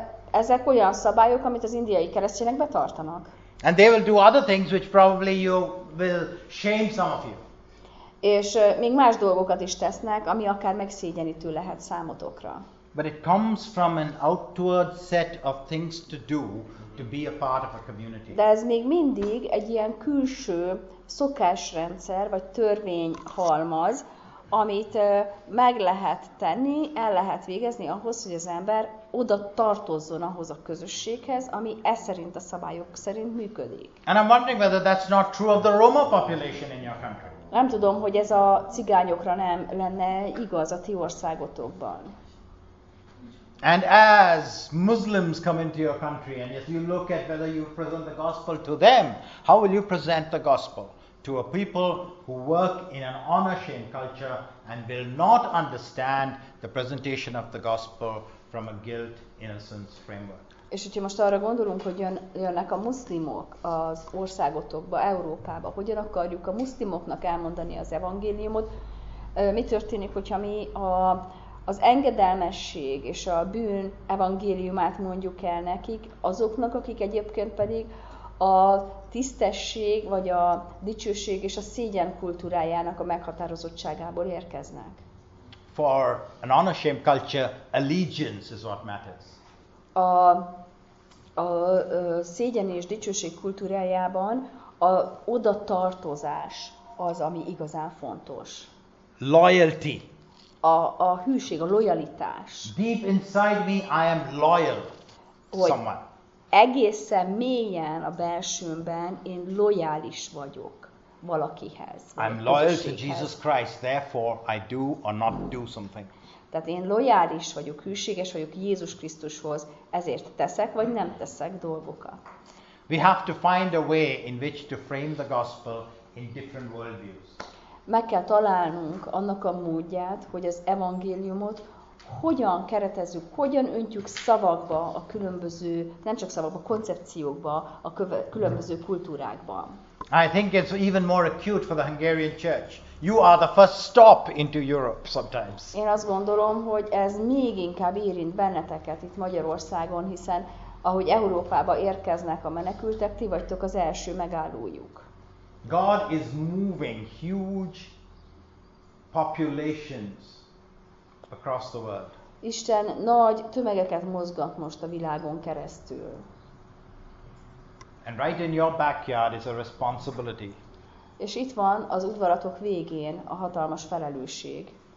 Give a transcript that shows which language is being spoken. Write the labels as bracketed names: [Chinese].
[Hungarian] Ezek olyan szabályok, amit az indiai keresztények betartanak. [English] And they will do other things which probably you will shame some of you. [Hungarian] És még más dolgokat is tesznek, ami akár megszégyenítő lehet számotokra. [English] But it comes from an outward set of things to do to be a part of a community. [Hungarian] De ez még mindig egy ilyen külső szokásrendszer vagy törvény halmaz, amit meg lehet tenni, el lehet végezni ahhoz, hogy az ember oda tartozzon ahhoz a közösséghez, ami e szerint a szabályok szerint működik. [English] And I'm wondering whether that's not true of the Roma population in your country. [Hungarian] Nem tudom, hogy ez a cigányokra nem lenne igaz a ti országotokban. [English] And as Muslims come into your country and if you look at whether you present the gospel to them, how will you present the gospel to a people who work in an honor-shame culture and will not understand the presentation of the gospel from a guilt-innocence framework? [Hungarian] És hogyha most arra gondolunk, hogy jönnek a muszlimok az országotokba, Európába, hogyan akarjuk a muszlimoknak elmondani az evangéliumot, mi történik, hogyha mi az engedelmesség és a bűn evangéliumát mondjuk el nekik, azoknak, akik egyébként pedig a tisztesség, vagy a dicsőség és a szégyen kultúrájának a meghatározottságából érkeznek. [English] For an honor-shame culture, allegiance is what matters. [Hungarian] A szégyen és dicsőség kultúrájában a odatartozás az, ami igazán fontos. [English] Loyalty. [Hungarian] A hűség, a lojalitás. [English] Deep inside me I am loyal someone. [Hungarian] Egészen mélyen a belsőmben én lojális vagyok valakihez. [English] I'm loyal to Jesus Christ, therefore I do or not do something. [Hungarian] Tehát én lojális vagyok, hűséges vagyok Jézus Krisztushoz, ezért teszek vagy nem teszek dolgokat. [English] We have to find a way in which to frame the gospel in different worldviews. [Hungarian] Meg kell találnunk annak a módját, hogy az evangéliumot hogyan keretezzük, hogyan öntjük szavakba a különböző, nem csak szavakba, koncepciókba a különböző kultúrákban. [English] I think it's even more acute for the Hungarian church. You are the first stop into Europe sometimes. [Hungarian] Én azt gondolom, hogy ez még inkább érint benneteket itt Magyarországon, hiszen ahogy Európába érkeznek a menekültek, ti vagytok az első megállójuk. [English] God is moving huge populations across the world. [Hungarian] Isten nagy tömegeket mozgat most a világon keresztül. [English] And right in your backyard is a responsibility. [Hungarian] És itt van az udvaratok végén a hatalmas felelősség.